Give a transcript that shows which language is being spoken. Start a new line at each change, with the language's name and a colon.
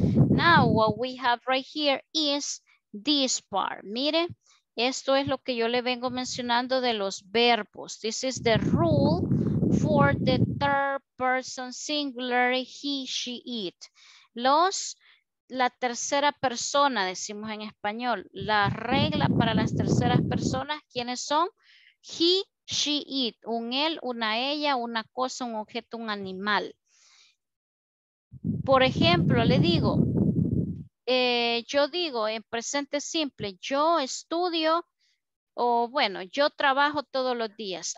English: Now, what we have right here is this part.
Spanish: Mire, esto es lo que yo le vengo mencionando de los verbos.
English: This is the rule for the third person singular, he, she, it.
Spanish: La tercera persona, decimos en español, la regla para las terceras personas, ¿quiénes son?
English: He, she, it.
Spanish: Un él, una ella, una cosa, un objeto, un animal. Por ejemplo, le digo, yo digo en presente simple, yo estudio, o bueno, yo trabajo todos los días.